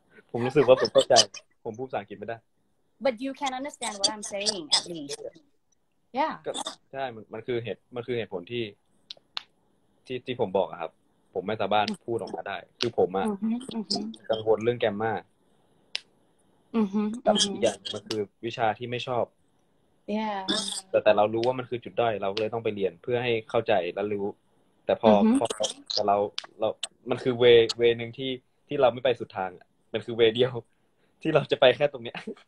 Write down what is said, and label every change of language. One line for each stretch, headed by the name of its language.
Thai: ผมรู้สึกว่าผมเข้าใจผมพูดภาษาอังกฤษไม่ได้
English: But you can understand what I'm saying at least. Yeah.
Thai: ใช่มันคือเหตุผลที่ผมบอกครับผมไม่สามารถพูดออกมาได้คือผมอ่ะกังวลเรื่องแกรมมา อืมอย่างมันคือวิชาที่ไม่ชอบ
English: yeah
Thai: แต่เรารู้ว่ามันคือจุดด้อยเราเลยต้องไปเรียนเพื่อให้เข้าใจและรู้แต่พอเรามันคือเวนึงที่เราไม่ไปสุดทางมันคือเวเดียวที่เราจะไปแค่ตรงเนี้ย